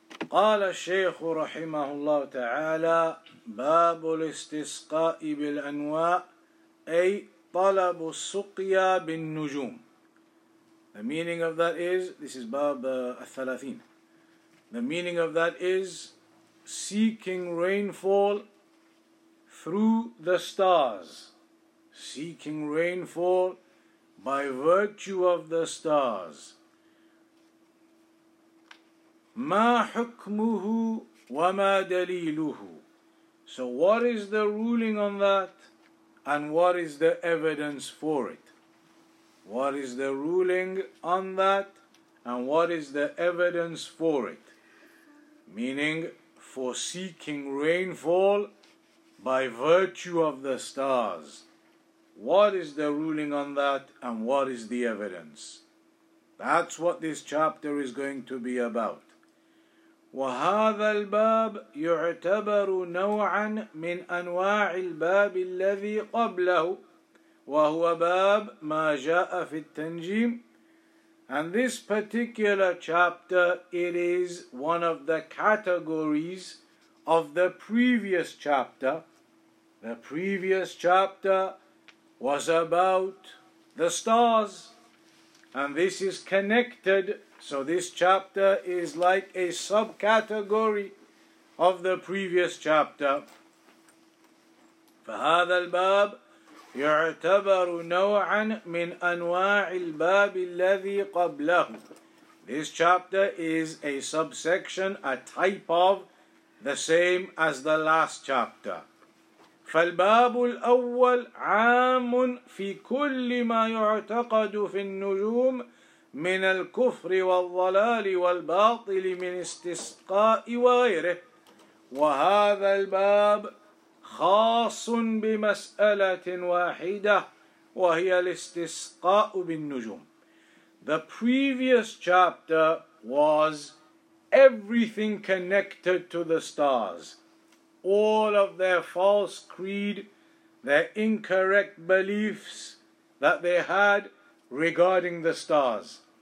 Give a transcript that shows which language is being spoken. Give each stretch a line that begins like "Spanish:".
Arabic: قال الشيخ رحمه الله تعالى باب الاستسقاء بالأنواء أي طلب السقيا بالنجوم.
English: The meaning of that is, this is
Arabic: باب الثلاثين.
English: The meaning of that is seeking rainfall through the stars. Seeking rainfall by virtue of the stars.
Arabic: ما حكمه وما دليله.
English: So what is the ruling on that and what is the evidence for it? What is the ruling on that and what is the evidence for it? Meaning for seeking rainfall by virtue of the stars. What is the ruling on that and what is the evidence? That's what this chapter is going to be about.
Arabic: وهذا الباب يعتبر نوعا من أنواع الباب الذي قبله وهو باب ما جاء في التنجيم.
English: And this particular chapter, it is one of the categories of the previous chapter. The previous chapter was about the stars, and this is connected. So this chapter is like a subcategory of the previous chapter.
Arabic: فَهَذَا الْبَابِ يُعْتَبَرُ نَوْعًا مِنْ أَنْوَاعِ الْبَابِ الَّذِي قَبْلَهُ.
English: This chapter is a subsection, a type of, the same as the last chapter.
Arabic: فَالْبَابُ الْأَوَّلِ عَامٌ فِي كُلِّ مَا يُعْتَقَدُ فِي النُّجُومِ من الكفر والضلال والباطل من استسقاء وغيره وهذا الباب خاص بمسألة واحدة وهي الاستسقاء بالنجوم.
English: The previous chapter was everything connected to the stars, all of their false creed, their incorrect beliefs that they had regarding the stars.